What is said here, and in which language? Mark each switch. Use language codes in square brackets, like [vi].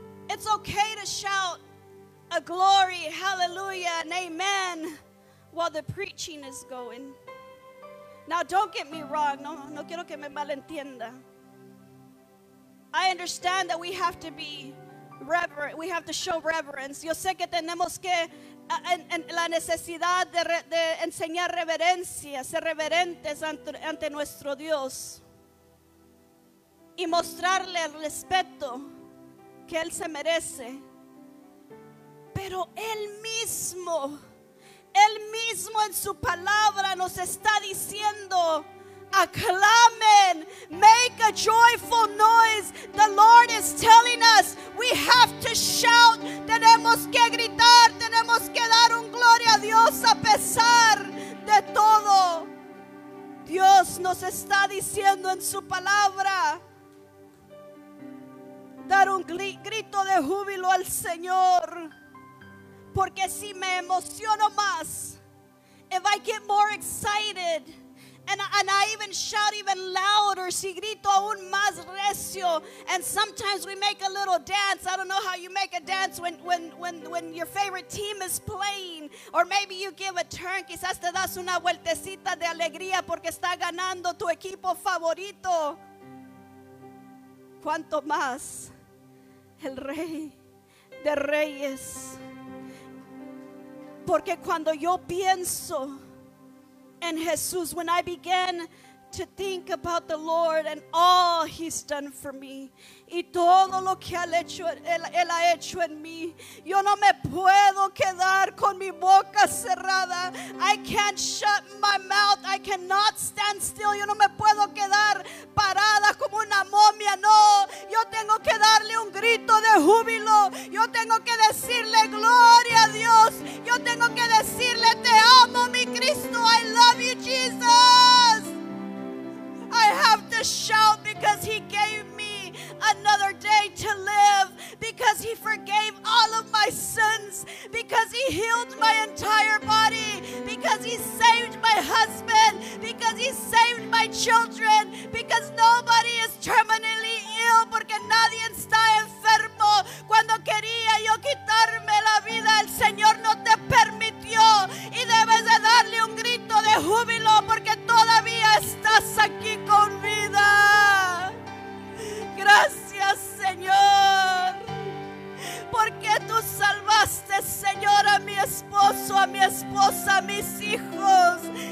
[en] It's okay to shout a glory, hallelujah, and amen while the preaching is going. Now, don't get me wrong. [es] No quiero que me malentienda. [en] I understand that we have to be reverent. We have to show reverence. [es] Yo sé que tenemos que la necesidad de enseñar reverencia, ser reverentes ante nuestro Dios y mostrarle el respeto que Él se merece. Pero Él mismo en su palabra nos está diciendo, aclamen, [en] make a joyful noise. The Lord is telling us we have to shout. [es] Tenemos que gritar, tenemos que dar un gloria a Dios a pesar de todo. Dios nos está diciendo en su palabra, dar un grito de júbilo al Señor. Porque si me emociono más, [en] if I get more excited and I even shout even louder, [es] si grito aún más recio, [en] and sometimes we make a little dance. I don't know how you make a dance when your favorite team is playing, or maybe you give a turn, [es] quizás te das una vueltecita de alegría porque está ganando tu equipo favorito. Cuanto más el Rey de Reyes. Porque cuando yo pienso en Jesús, [en] when I begin to think about the Lord and all he's done for me. [es] Y todo lo que él ha hecho en mí. Yo no me puedo quedar con mi boca cerrada. [en] I can't shut my mouth. I cannot stand still. [es] Yo no me puedo quedar parada como una momia. No, yo tengo que darle un grito de júbilo. Yo tengo que decirle gloria a Dios. Yo tengo que decirle te amo mi Cristo. [en] I love you Jesus. I have to shout because he gave me another day to live, because he forgave all of my sins, because he healed my entire body, because he saved my husband, because he saved my children, because nobody is terminally ill, [es] porque nadie está enfermo. Cuando quería yo quitarme la vida, el Señor no te permitió, y debes de darle un grito de júbilo, porque todavía estás aquí con vida. Gracias, Señor, porque tú salvaste, Señor, a mi esposo, a mi esposa, a mis hijos.